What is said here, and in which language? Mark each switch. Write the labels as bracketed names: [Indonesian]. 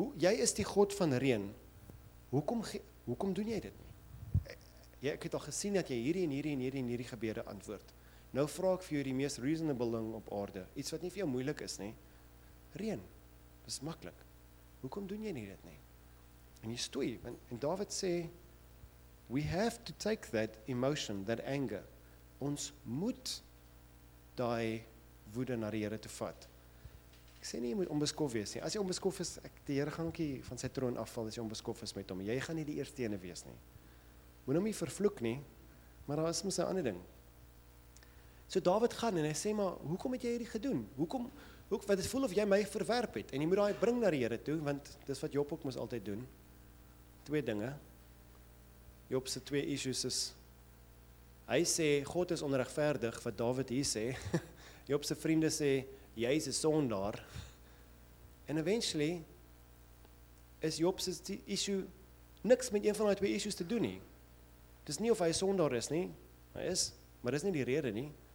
[Afrikaans] Jy is die God van reën. Hoekom doen jy dit nie? Ek het al gesien dat jy hierdie en hierdie en hierdie en hierdie gebede antwoord. Nou vra ek vir jou die mees reasonable ding op aarde. Iets wat nie vir jou moeilik is nie. Reën. Dis maklik. Hoekom doen jy nie dit nie? En jy stoei. En Dawid sê, [English] we have to take that emotion, that anger. [Afrikaans] Ons moet daai woede na die Here te vat. Ek sê nie, jy moet onbeskof wees nie. As jy onbeskof is, die Here gaan ook nie van sy troon afval, as jy onbeskof is met hom. Jy gaan nie die eerste ene wees nie. Moet hom nie vervloek nie, maar daar is mos 'n ander ding. So Dawid gaan en hy sê, maar, hoekom het jy hierdie gedoen? Hoekom, wat het voel of jy my verwerp het? En jy moet daai bring na die Here toe, want dis wat Job ook mos altyd doen. Twee dinge. Job se twee issues is, hy sê, God is onregverdig, wat Dawid hier sê. Job se vriende sê, jy is 'n sondaar. En eventually, is Job se issue niks met een van die twee issues te doen nie. Dis nie of hy 'n sondaar is nie, hy is, maar dis nie die rede nie.